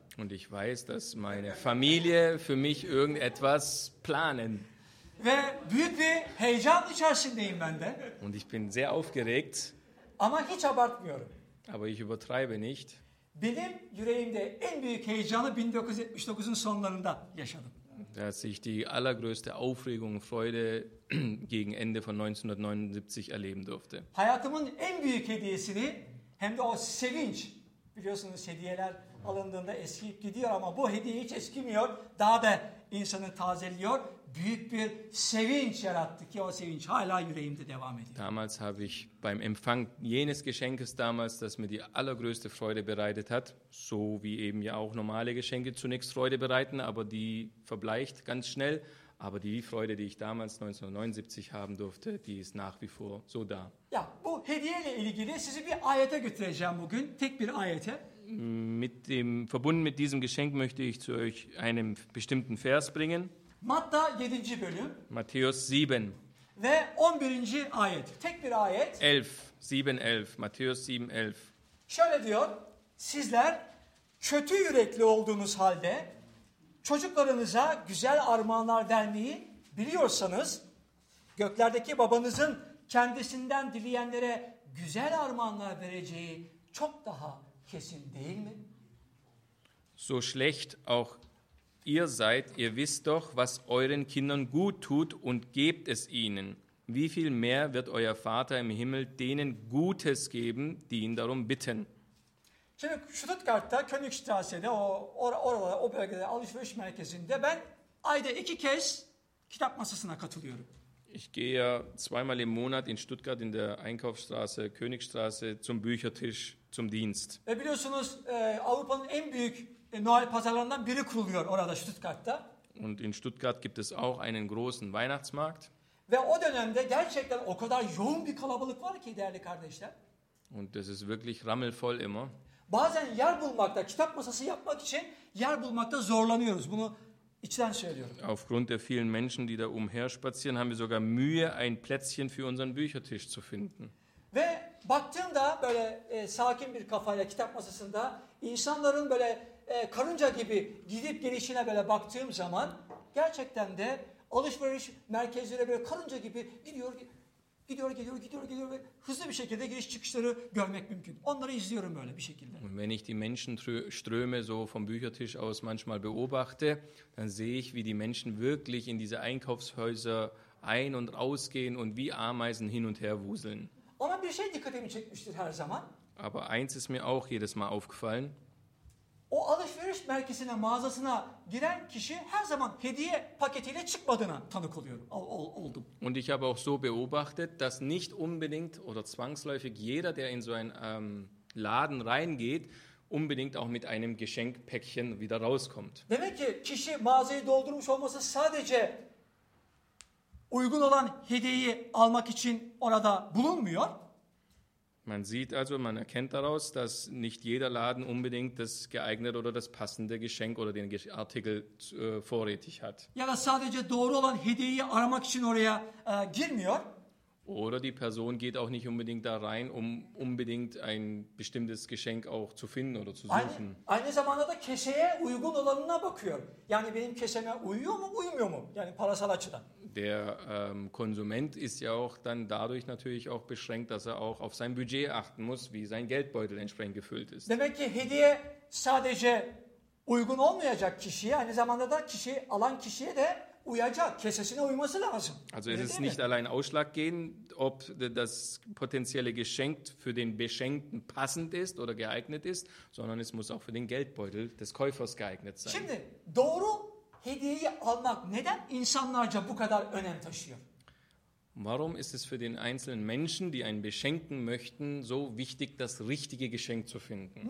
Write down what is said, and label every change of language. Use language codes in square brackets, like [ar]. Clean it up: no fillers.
[de] Und ich weiß, dass meine Familie für mich irgendetwas planen. [tr] Ve büyük bir heyecan içerisindeyim ben de. [de] Und ich bin sehr aufgeregt. [tr] Ama hiç abartmıyorum. [de] Aber ich übertreibe nicht. [tr] Benim yüreğimde en büyük heyecanı 1979'un sonlarında yaşadım. [de] Dass ich die allergrößte Aufregung und Freude gegen Ende von 1979 erleben durfte. [tr] Hayatımın en büyük hediyesini hem de o sevinç, biliyorsunuz hediyeler alındığında eskiyip gidiyor ama bu hediye hiç eskimiyor, daha da insanı tazeliyor. Büyük bir sevinç yarattı ki o sevinç hala yüreğimde devam ediyor. [de] Damals habe ich beim Empfang jenes Geschenkes damals, das mir die allergrößte Freude bereitet hat, so wie eben ja auch normale Geschenke zunächst Freude bereiten, aber die verbleicht ganz schnell. Aber die Freude, die ich damals 1979 haben durfte, die ist nach wie vor so da. [tr] Ja, bu hediyeyle ilgili sizi bir ayete götüreceğim bugün, tek bir ayete. [de] Verbunden mit diesem Geschenk möchte ich zu euch einen bestimmten Vers bringen. [tr] Matta 7. bölüm. [de] Matthäus 7. [tr] Ve 11. ayet. Tek bir ayet. [de] 7:11. Matthäus 7:11. [tr] Şöyle diyor. Sizler kötü yürekli olduğunuz halde çocuklarınıza güzel armağanlar vermeyi biliyorsanız göklerdeki babanızın kendisinden dileyenlere güzel armağanlar vereceği çok daha kesin değil mi? [de] So schlecht auch ihr seid, ihr wisst doch, was euren Kindern gut tut und gebt es ihnen. Wie viel mehr wird euer Vater im Himmel denen Gutes geben, die ihn darum bitten? [tr] Şimdi Stuttgart'ta, Königstraße'de, o bölgede, alışveriş merkezinde ben ayda iki kez kitap masasına katılıyorum. [de] Ich gehe ja zweimal im Monat in Stuttgart in der Einkaufsstraße, Königstraße zum Büchertisch, zum Dienst. [tr] Ve biliyorsunuz Avrupa'nın en büyük Noel pazarlarından biri kuruluyor orada Stuttgart'ta. [de] Und in Stuttgart gibt es auch einen großen Weihnachtsmarkt. [tr] Ve o dönemde gerçekten o kadar yoğun bir kalabalık var ki değerli kardeşler. [de] Und das ist wirklich rammelvoll immer. [tr] Bazen yer bulmakta, kitap masası yapmak için yer bulmakta zorlanıyoruz. Bunu içten söylüyorum. [de] Aufgrund der vielen Menschen, die da umher spazieren, haben wir sogar Mühe, ein Plätzchen für unseren Büchertisch zu finden. [tr] Ve baktığımda böyle sakin bir kafayla kitap masasında insanların böyle karınca gibi gidip gelişine böyle baktığım zaman gerçekten de alışveriş merkezlerine böyle karınca gibi gidiyor ve hızlı bir şekilde giriş çıkışları görmek mümkün. Onları izliyorum böyle bir şekilde. [de] Wenn ich die Menschenströme so vom Büchertisch aus manchmal beobachte, dann sehe ich, wie die Menschen wirklich in diese Einkaufshäuser ein- und ausgehen und wie Ameisen hin und her wuseln. [tr] Ama bir şey dikkatimi çekmiştir her zaman. [de] Aber eins ist mir auch jedes Mal aufgefallen. [tr] O alışveriş merkezine, mağazasına giren kişi her zaman hediye paketiyle çıkmadığına tanık oluyorum, oldum. [de] Und ich habe auch so beobachtet, dass nicht unbedingt oder zwangsläufig jeder, der in so einen Laden reingeht, unbedingt auch mit einem Geschenkpäckchen wieder rauskommt. [tr] Demek ki kişi mağazayı doldurmuş olması sadece uygun olan hediyeyi almak için orada bulunmuyor. [de] Man sieht also, man erkennt daraus, dass nicht jeder Laden unbedingt das geeignete oder das passende Geschenk oder den Artikel vorrätig hat. [tr] Ja, da sadece doğru olan hediyeyi aramak için oraya girmiyor. [de] Oder die Person geht auch nicht unbedingt da rein, um unbedingt ein bestimmtes Geschenk auch zu finden oder zu suchen. [tr] Aynı zamanda da keşeye uygun olanına bakıyor. Yani benim keşeme uyuyor mu, uymuyor mu? Yani parasal açıdan. [de] Der Konsument ist ja auch dann dadurch natürlich auch beschränkt, dass er auch auf sein Budget achten muss, wie sein Geldbeutel entsprechend gefüllt ist. [tr] Demek ki hediye sadece uygun olmayacak kişiye, aynı zamanda da kişi alan kişiye de uyacak, kesesine uyması lazım. [de] Also es ist nicht allein ausschlaggebend, ob das potenzielle Geschenk für den Beschenkten passend ist oder geeignet ist, sondern es muss auch für den Geldbeutel des Käufers geeignet sein. [tr] Şimdi doğru hediyeyi almak neden insanlarca bu kadar önem taşıyor? [de] Warum ist es für den einzelnen Menschen, die einen beschenken möchten, so wichtig, das richtige Geschenk zu finden?